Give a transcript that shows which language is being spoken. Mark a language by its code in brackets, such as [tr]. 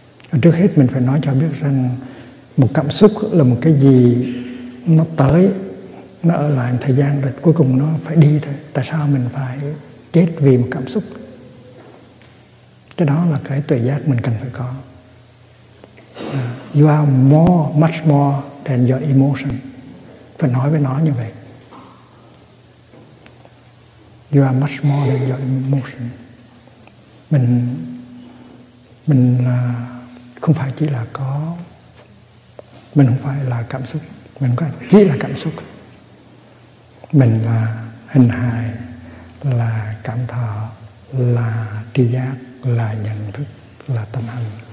[vi] Và trước hết mình phải nói cho biết rằng một cảm xúc là một cái gì nó tới, nó ở lại một thời gian rồi cuối cùng nó phải đi thôi. Tại sao mình phải chết vì một cảm xúc? Cái đó là cái tuệ giác mình cần phải có. [en] You are more, much more than your emotion. [vi] Phải nói với nó như vậy. [en] You are much more than your emotion. [vi] Mình là không phải chỉ là có, mình không phải là cảm xúc, mình không phải chỉ là cảm xúc. Mình là hình hài, là cảm thọ, là tri giác, là nhận thức, là tâm hành.